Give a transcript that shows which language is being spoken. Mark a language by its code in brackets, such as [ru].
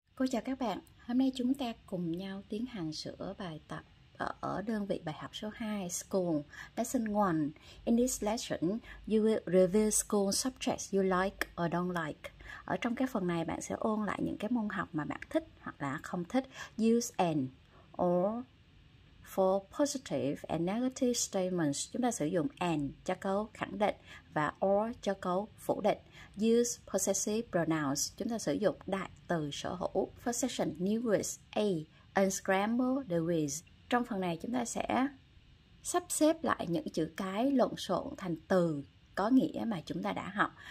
[vi] Cô chào các bạn, hôm nay chúng ta cùng nhau tiến hành sửa bài tập ở đơn vị bài học số 2, School, Lesson 1. [en] In this lesson, you will review school subjects you like or don't like. [vi] Ở trong cái phần này, bạn sẽ ôn lại những cái môn học mà bạn thích hoặc là không thích. [en] Use and or for positive and negative statements. [vi] Chúng ta sử dụng and cho câu khẳng định và or cho câu phủ định. [en] Use possessive pronouns. [vi] Chúng ta sử dụng đại từ sở hữu. [en] Possession, new words, a, unscramble the words. [vi] Trong phần này chúng ta sẽ sắp xếp lại những chữ cái lộn xộn thành từ có nghĩa mà chúng ta đã học.